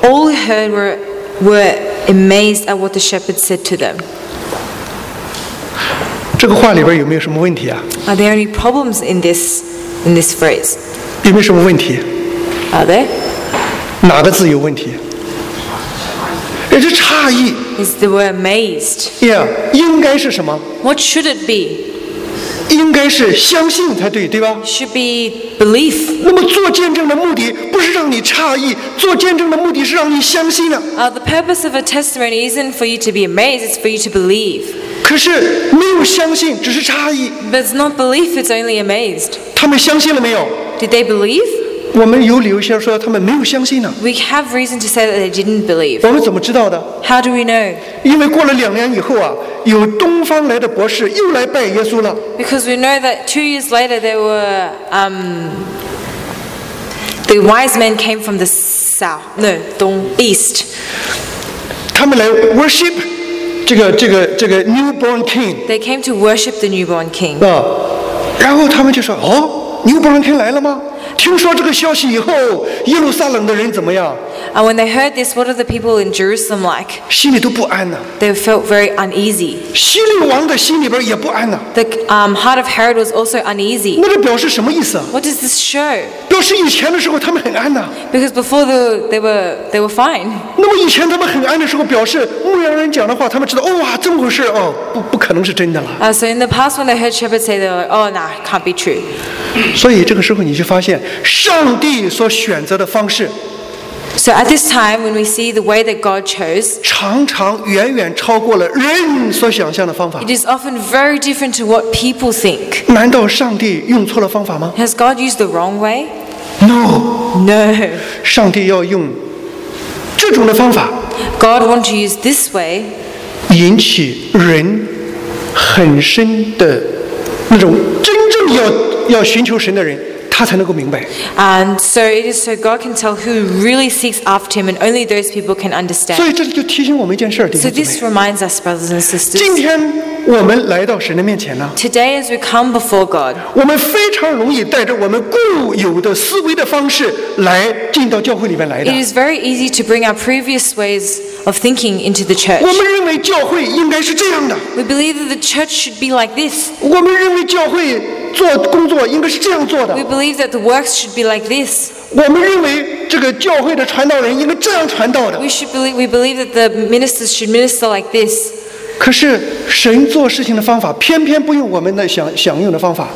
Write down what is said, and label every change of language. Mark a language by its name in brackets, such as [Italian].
[English] All who heard were amazed at what the shepherd said to them. [Chinese] 这个话里边有没有什么问题啊 [English] ？Are there any problems in this phrase? [Chinese] 有没有什么问题？ [English] Are they? [Chinese] 哪个字有问题？也是诧异。 [English] Is the word amazed? [Chinese] Yeah, 应该是什么 [English] ？What should it be? [Chinese] 应该是相信才对，对吧 [English] ？Should be belief. [Chinese] 那么做见证的目的不是让你诧异，做见证的目的是让你相信啊。 [English] The purpose of a testimony isn't for you to be amazed; it's for you to believe. [Chinese] 可是没有相信，只是诧异。 [English] But it's not belief; it's only amazed. [Chinese] 他们相信了没有 [English] ？Did they believe? [Chinese] 我们有理由先说他们没有相信呢。 [English] We have reason to say that they didn't believe. [Chinese] 我们怎么知道的 [English] ？How do we know? [Chinese] 因为过了两年以后啊，有东方来的博士又来拜耶稣了。 [English] Because we know that 2 years later there were the wise men came from the south, no, east. [Chinese] 他们来 [English] worship [Chinese] 这个 [English] newborn king. They came to worship the newborn king. [Chinese] 啊，然后他们就说哦。牛伯伦天来了吗？听说这个消息以后，耶路撒冷的人怎么样？ [English] And when they heard this, what are the people in Jerusalem like? [Chinese] 心里都不安呢。 [English] They felt very uneasy. [Chinese] 希律王的心里边也不安呢。 [English] The heart of Herod was also uneasy. [Chinese] 那这表示什么意思？ [English] What does this show? [Chinese] 表示以前的时候他们很安呢。 [English] Because before they were fine. [Chinese] 那么以前他们很安的时候，表示牧羊人讲的话，他们知道，哦哇，这么回事哦，不可能是真的了。 [English] So in the past when they heard shepherds say, they were like, oh, nah, can't be true. [Chinese] 所以这个时候你就发现，上帝所选择的方式。 [English] So at this time, when we see the way that God chose, [Chinese] 常常远远超过了人所想象的方法。 [English] It is often very different to what people think. [Chinese] 难道上帝用错了方法吗？ [English] Has God used the wrong way? No. No. [Chinese] 上帝要用这种的方法。 [English] God wants to use this way. [Chinese] 引起人很深的那种真正要寻求神的人。 [English] And so it is so God can tell who really seeks after him, and only those people can understand. So this reminds us, brothers and sisters. Today, as we come before God, we very easily bring our previous ways into the very easy to bring our previous ways of thinking into the church. We believe that the church should be like this. We believe that the church should be like this. [Chinese] 做工作应该是这样做的。 [English] We believe that the works should be like this. [Chinese] 我们认为这个教会的传道人应该这样传道的。 [English] We believe that the ministers should minister like this. [Chinese] 可是神做事情的方法偏偏不用我们的想用的方法。